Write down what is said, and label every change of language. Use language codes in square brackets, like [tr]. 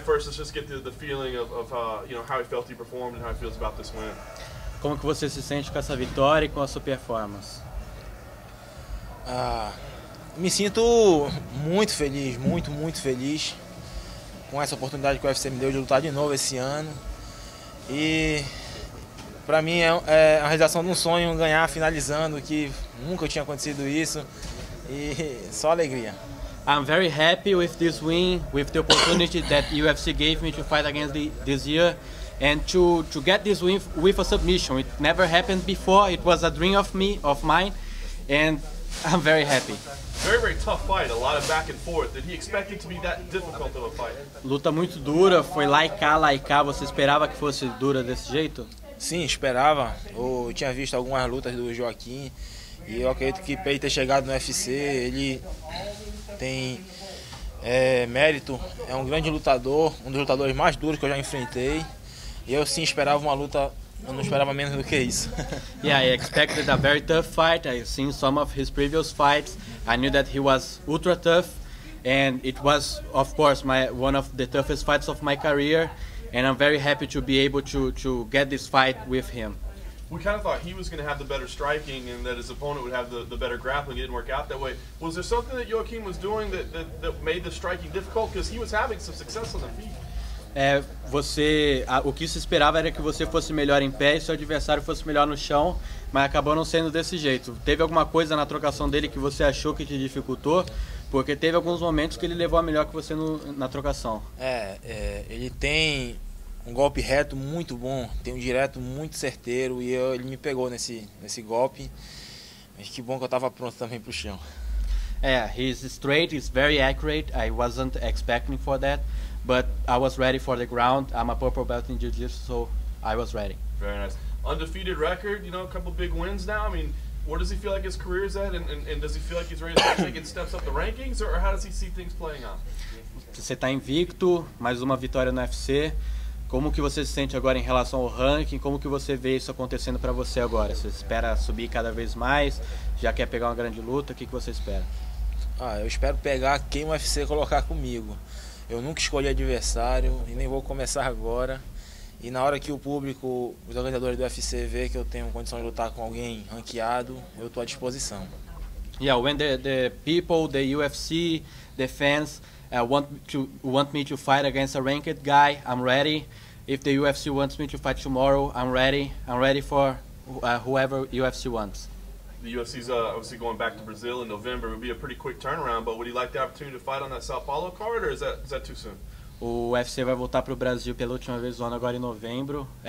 [en] First, let's just get the feeling of you know, how he felt he performed and how he feels about this win. [pt] Como que você se sente com essa vitória e com a sua performance? Me sinto muito feliz, muito, muito feliz com essa oportunidade que o UFC me deu de lutar de novo esse ano. E pra mim é a realização de um sonho ganhar finalizando, que nunca tinha acontecido isso. E só alegria. [en] I'm very happy with this win, with the opportunity that UFC gave me to fight against this year. And to get this win with a submission, it never happened before. It was a dream of mine, and I'm very happy. Very, very tough fight, a lot of back and forth. Did he expect it to be that difficult of a fight? [pt] Luta muito dura, foi like cá. Você esperava que fosse dura desse jeito? Sim, esperava. Eu tinha visto algumas lutas do Joaquim, e eu acredito que para ele ter chegado no UFC, ele tem mérito. É um grande lutador, um dos lutadores mais duros que eu já enfrentei. Eu sim esperava uma luta, eu não esperava menos do que isso. [en] Yeah, I expected a very tough fight. I've seen some of his previous fights. I knew that he was ultra tough, and it was, of course, one of the toughest fights of my career. And I'm very happy to be able to get this fight with him. We kind of thought he was going to have the better striking and that his opponent would have the better grappling. It didn't work out that way. Was there something that Joaquim was doing that made the striking difficult? Because he was having some success on the feet. [pt] O que se esperava era que você fosse melhor em pé e seu adversário fosse melhor no chão, mas acabou não sendo desse jeito. Teve alguma coisa na trocação dele que você achou que te dificultou? Porque teve alguns momentos que ele levou a melhor que você na trocação. Ele tem um golpe reto muito bom, tem um direto muito certeiro, e ele me pegou nesse golpe. Mas que bom que eu estava pronto também pro chão. [en] He's straight, he's very accurate. I wasn't expecting for that. But I was ready for the ground. I'm a purple belt in jiu-jitsu, so I was ready. Very nice. Undefeated record, you know, a couple big wins now. I mean, where does he feel like his career is at? And does he feel like he's ready to take steps up the rankings? Or how does he see things playing out? [pt] Você está invicto, mais uma vitória no UFC. Como que você se sente agora em relação ao ranking? Como que você vê isso acontecendo para você agora? Você espera subir cada vez mais? Já quer pegar uma grande luta? O que você espera? Eu espero pegar quem o UFC colocar comigo. Eu nunca escolhi adversário e nem vou começar agora. E na hora que o público, os organizadores do UFC vê que eu tenho condição de lutar com alguém ranqueado, eu estou à disposição. [en] Yeah, when the people, the UFC, the fans want me to fight against a ranked guy, I'm ready. If the UFC wants me to fight tomorrow, I'm ready. I'm ready for whoever UFC wants. The UFC's obviously going back to Brazil in November. It would be a pretty quick turnaround, but would you like the opportunity to fight on that Sao Paulo card, or is that too soon? [pt] O UFC vai voltar para o Brasil pela última vez do ano agora em novembro.